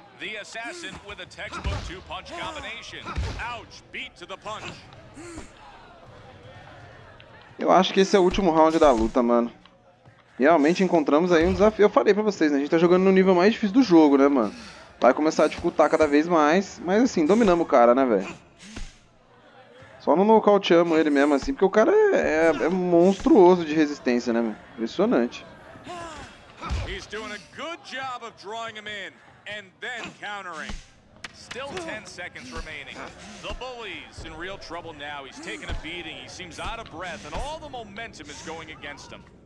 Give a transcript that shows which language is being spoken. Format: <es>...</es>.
<en>The assassin with a textbook two-punch combination. Ouch, beat to the punch.</en> <pt>Eu acho que esse é o último round da luta, mano. Realmente encontramos aí um desafio. Eu falei pra vocês, né? A gente tá jogando no nível mais difícil do jogo, né, mano? Vai começar a dificultar cada vez mais. Mas assim, dominamos o cara, né, velho? Só no nocauteamos ele mesmo, assim, porque o cara é monstruoso de resistência, né, mano? Impressionante.</pt> <en>He's doing a good job of drawing him in and then countering. Still 10 seconds remaining. The bully's in real trouble now. He's taking a beating. He seems out of breath and all the momentum is going against him.</en>